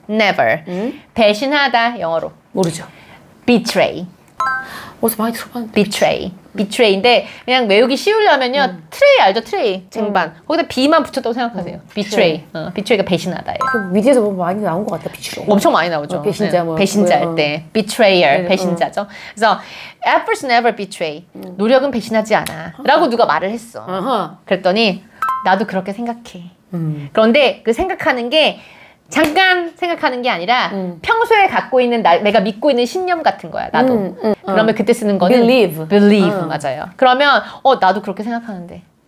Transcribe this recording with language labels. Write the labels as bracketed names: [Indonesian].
[English] Never. [Korean] 배신하다 영어로. 모르죠. [English] Betray. [Korean] 어디서 많이 들어봤는데. [English] Betray. [Korean] Betray인데 그냥 외우기 쉬우려면요. Tray 알죠? Tray. 쟁반. 거기다 B만 붙였다고 생각하세요. [English] Betray. Betray. [Korean] Betray가 배신하다예요. 그 위드에서 뭐 많이 나온 것 같아. [English] Betray. [Korean] 엄청 많이 나오죠. 배신자 뭐. 배신자일 때. Betrayer. 네, 배신자죠. 그래서 [English] efforts never betray. [Korean] 노력은 배신하지 않아. 라고 누가 말을 했어. 그랬더니 나도 그렇게 생각해. 그런데 그 생각하는 게 잠깐 생각하는 게 아니라 평소에 갖고 있는 내가 믿고 있는 신념 같은 거야. 나도. 그러면 그때 쓰는 거는 [English] believe [Korean] 맞아요. 그러면 나도 그렇게 생각하는데.